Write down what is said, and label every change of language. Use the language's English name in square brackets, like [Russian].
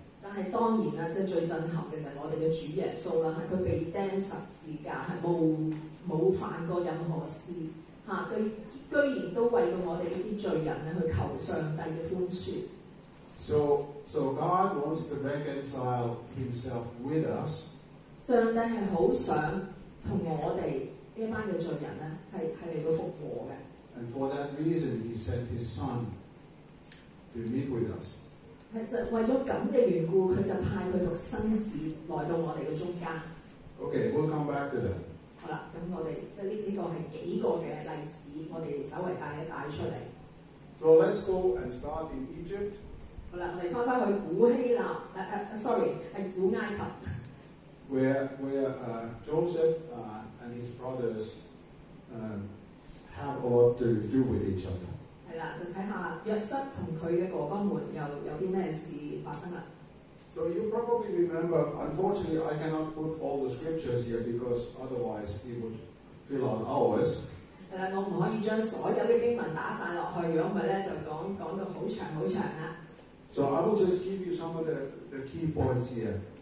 [Cantonese] 但係當然啦，即係最震撼嘅就係我哋嘅主耶穌啦，佢被釘十字架，係冇犯過任何事嚇，佢居然都為到我哋呢啲罪人咧去求上帝嘅寬恕。 [English] So God wants to reconcile Himself with us。 [Cantonese] 上帝係好想同我哋呢班嘅罪人咧，係嚟到復活嘅。 [English] And for that reason, He sent His Son to meet with us. [Cantonese] 就為咗咁嘅緣故，佢就派佢獨生子來到我哋嘅中間。 [English] Okay, we'll come back to that. [Cantonese] 好啦，咁我哋即係呢個係幾個嘅例子，我哋稍微帶出嚟。 [English] So let's go and start in Egypt. [Cantonese] 好啦，我哋翻返去古希臘，sorry， 係古埃及。 [English] Where Joseph and his brothers have a lot to do with each other. [Cantonese] 係啦，就睇下約瑟同佢嘅哥哥們有啲咩事發生啦。 [English] So you probably remember. Unfortunately, I cannot put all the scriptures here because otherwise it would fill out hours. [Cantonese] 係啦，我唔可以將所有嘅經文打曬落去，如果唔係咧，就講到好長好長啦。 [English] So I will just give you some of the key points here.